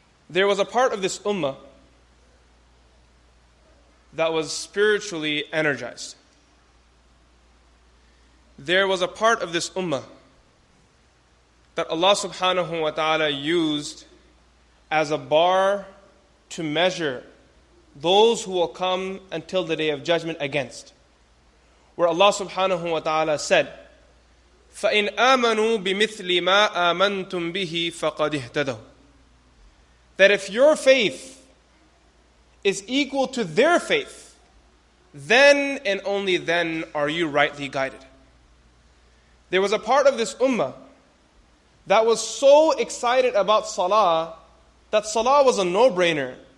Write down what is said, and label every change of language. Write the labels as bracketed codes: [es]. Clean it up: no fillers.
[en] There was a part of this ummah that was spiritually energized. There was a part of this ummah that Allah subhanahu wa ta'ala used as a bar to measure those who will come until the day of judgment against. Where Allah subhanahu wa ta'ala said, [ar] فَإِنْ آمَنُوا بِمِثْلِ مَا آمَنْتُمْ بِهِ فَقَدْ اِهْتَدَوْا. [en] That if your faith is equal to their faith, then and only then are you rightly guided. There was a part of this ummah that was so excited about salah that salah was a no-brainer.